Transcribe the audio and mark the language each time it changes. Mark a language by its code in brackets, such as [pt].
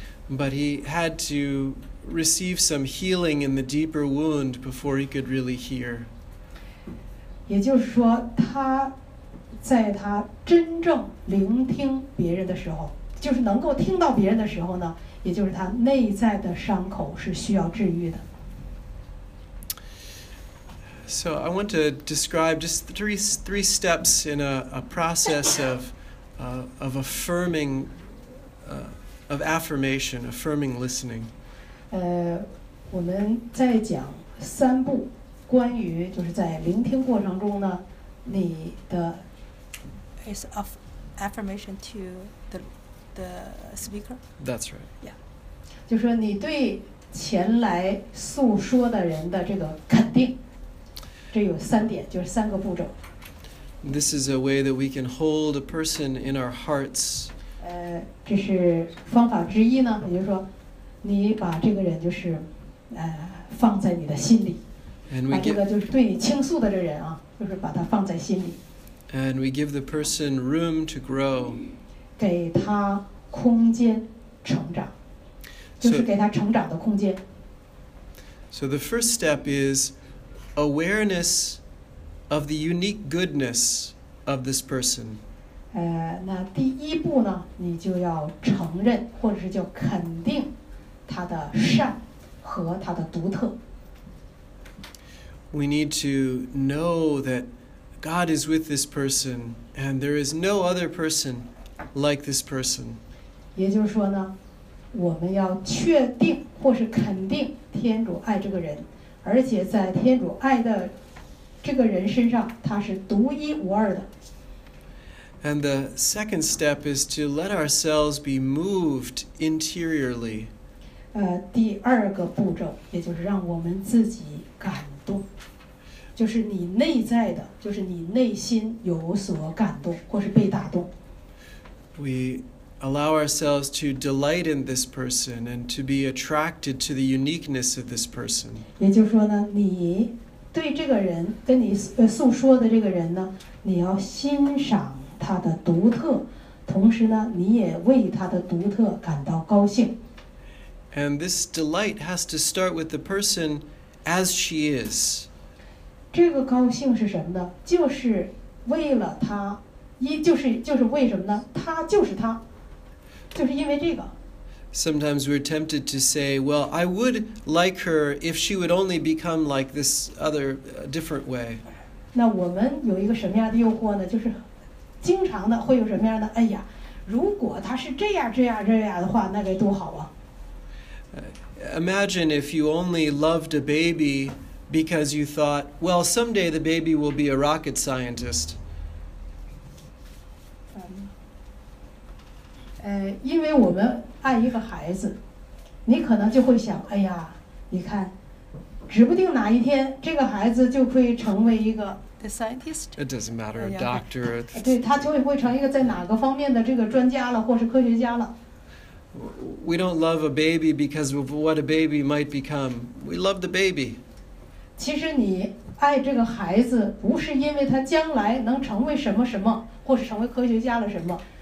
[en] But he had to receive some healing in the deeper wound before he could really hear. [zh] 也就是说，他在他真正聆听别人的时候，就是能够听到别人的时候呢，也就是他内在的伤口是需要治愈的。 [en] So I want to describe just three steps in a process of affirming, of affirmation, affirming listening. [zh] 我们在讲三步，关于就是在聆听过程中呢，你的 [en] is of affirmation to the speaker. That's right. Yeah. [zh] 就说你对前来诉说的人的这个肯定。这有三点，就是三个步骤。 [en] This is a way that we can hold a person in our hearts. [zh] 这是方法之一呢，也就是说，你把这个人就是，放在你的心里。 [en] And we [zh] 把这个就是对你倾诉的这人啊，就是把他放在心里。 [en] And we give the person room to grow. [zh] 给他空间成长，就是给他成长的空间。 [en] So the first step is. Awareness of the unique goodness of this person. [zh] 那第一步呢，你就要承认或者是就肯定他的善和他的独特。 [en] We need to know that God is with this person, and there is no other person like this person. [zh] 也就是说呢，我们要确定或是肯定天主爱这个人。而且在天主爱的这个人身上，他是独一无二的。 [en] And the second step is to let ourselves be moved interiorly. [zh] 第二个步骤，也就是让我们自己感动，就是你内在的，就是你内心有所感动，或是被打动。 [en] We allow ourselves to delight in this person and to be attracted to the uniqueness of this person. [zh] 也就是说呢，你对这个人跟你诉说的这个人呢，你要欣赏他的独特，同时呢，你也为他的独特感到高兴。 [en] And this delight has to start with the person as she is. [zh] 这个高兴是什么呢？就是为了他，就是为什么呢？他就是他。就是因为这个。 [en] Sometimes we're tempted to say, well, I would like her if she would only become like this other, different way. [zh] 那我们有一个什么样的诱惑呢？就是经常的会有什么样的，哎呀，如果她是这样这样这样的话，那该多好啊。 [en] Imagine if you only loved a baby because you thought, well, someday the baby will be a rocket scientist. [zh] 因为我们爱一个孩子，你可能就会想，哎呀，你看，指不定哪一天这个孩子就会成为一个 [en] the scientist. It doesn't matter, a doctor. [zh] 对，他就会成一个在哪个方面的这个专家了，或是科学家了。 [en] We don't love a baby because of what a baby might become. We love the baby. [zh] 其实你爱这个孩子，不是因为他将来能成为什么什么，或是成为科学家了什么。